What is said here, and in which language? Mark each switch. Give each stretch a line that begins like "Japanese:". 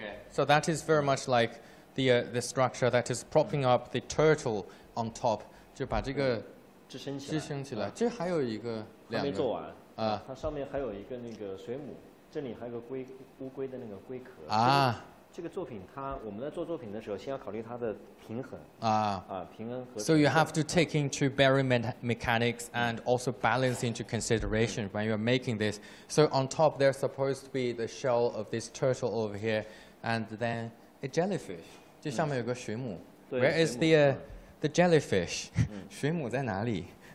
English: So that is very much like the structure that is propping up the turtle on top.
Chinese: 就把这个支撑起来。支撑起来，这还有一个两个。还没做完。啊，它上面还有一个那个水母，这里还有个龟乌龟的那个龟壳。啊。这个作品，它我们在做作品的时候，先要考虑它的平衡。啊。啊，平衡和。So
English: you have to take into bearing mechanics and also balance into consideration when you're making this. So on top, there's supposed to be the shell of this turtle over here, and then a jellyfish.
Chinese: 这上面有个水母。
English: Where is the jellyfish?
Chinese: 水母在哪里?